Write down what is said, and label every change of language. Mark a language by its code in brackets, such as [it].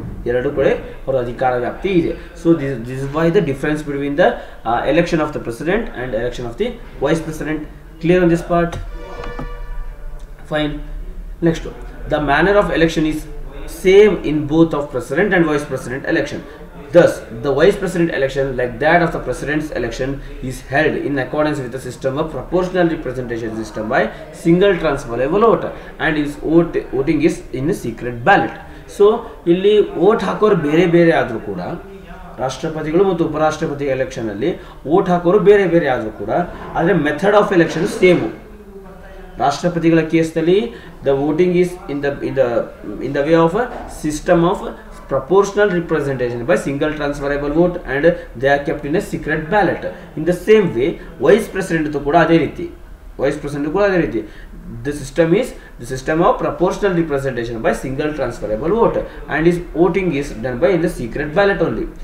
[kn] ಎರಡು ಕಡೆ ಅವರ ಅಧಿಕಾರ ವ್ಯಾಪ್ತಿ ಇದೆ. [en] So this why the difference between the election of the president and election of the vice president. Clear on this part? Fine. Next, the manner of election is same in both of president and vice president election. Thus, the vice president election, like that of the president's election, is held in accordance with the system of proportional representation system by single transferable voter, and his voting is in a secret ballot. [kn] So, ಇಲ್ಲಿ vote ಹಾಕೋರು ಬೇರೆ ಬೇರೆ ಆದರೂ ಕೂಡ, ರಾಷ್ಟ್ರಪತಿಗಳು ಮತ್ತು ಉಪರಾಷ್ಟ್ರಪತಿ ಎಲೆಕ್ಷನಲ್ಲಿ vote ಹಾಕೋರು ಬೇರೆ ಬೇರೆ ಆದರೂ ಕೂಡ, ಆದರೆ ಮೆಥಡ್ ಆಫ್ ಎಲೆಕ್ಷನ್ ಸೇಮು. ರಾಷ್ಟ್ರಪತಿಗಳ ಕೇಸ್ನಲ್ಲಿ [en] The voting is in the way of a system of proportional representation by single transferable vote, and they are kept in a secret ballot. In the same way, vice president to [kn] kuda adhe riti, vice president kuda adhe riti, [en] the system is the system of proportional representation by single transferable vote, and his voting is done by in the secret ballot only.